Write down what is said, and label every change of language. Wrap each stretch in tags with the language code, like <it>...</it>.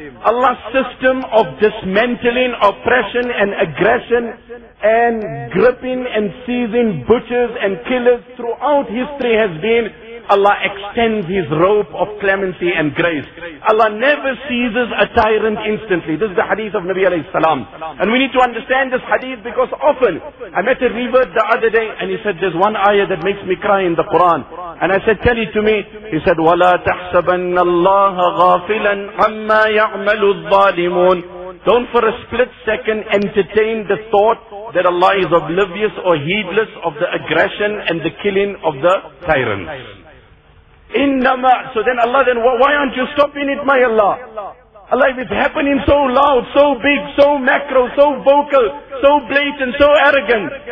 <en>Allah's system of dismantling, oppression and aggression and gripping and seizing butchers and killers throughout history has been, Allah extends His rope of clemency and grace. Allah never seizes a tyrant instantly. This is the hadith of Nabi alayhi salam. And we need to understand this hadith because often, I met a revert the other day and he said, there's one ayah that makes me cry in the Quran. And I said, tell it to me. He said,</en> <ar>وَلَا تَحْسَبَنَّ اللَّهَ غَافِلًا عَمَّا يَعْمَلُ الظَّالِمُونَ.</ar> <en>Don't for a split second entertain the thought that Allah is oblivious or heedless of the aggression and the killing of the tyrants. Innama. So then Allah, then why aren't you stopping it, my Allah? Allah, if it's happening so loud, so big, so macro, so vocal, so blatant, so arrogant.</en>